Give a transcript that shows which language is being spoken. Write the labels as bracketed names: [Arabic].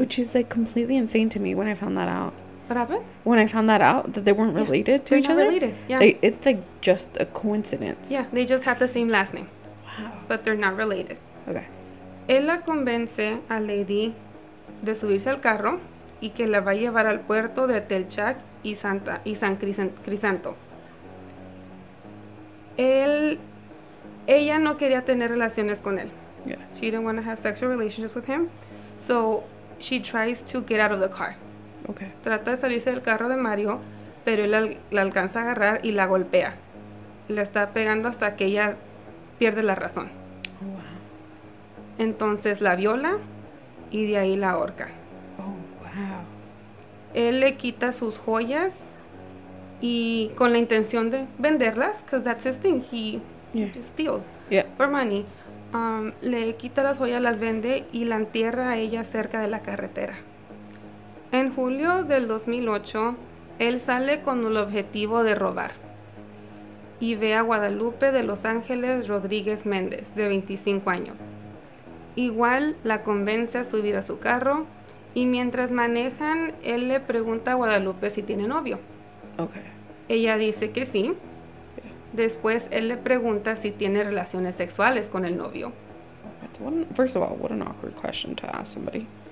[English] Which is, like, completely insane to me when I found that out. What happened? When I found that out, that they weren't related to each other. They're not related, yeah. It's, like, just a coincidence. Yeah, they just have the same last name. Wow. But they're not related. Okay. [Spanish] Él la convence a Lady de subirse al carro y que la va a llevar al puerto de Telchac y San Crisanto. Ella no quería tener relaciones con él. [English] Yeah. She didn't want to have sexual relationships with him. So she tries to get out of the car. Okay. [Spanish] Trata de salirse del carro de Mario, pero él la alcanza a agarrar y la golpea. La está pegando hasta que ella pierde la razón. [English] Oh, wow. [Spanish] Entonces la viola y de ahí la ahorca. [English] Oh, wow. [Spanish] Él le quita sus joyas y con la intención de venderlas, [English] because that's his thing. He steals for money. [Spanish] Le quita las joyas, las vende y la entierra a ella cerca de la carretera. En julio del 2008, él sale con el objetivo de robar y ve a Guadalupe de Los Ángeles Rodríguez Méndez, de 25 años. Igual la convence a subir a su carro y mientras manejan, él le pregunta a Guadalupe si tiene novio. [English] Okay. [Spanish] Ella dice que sí. Después, él le pregunta si tiene relaciones sexuales con el novio. [English] First of all, what an awkward question to ask somebody.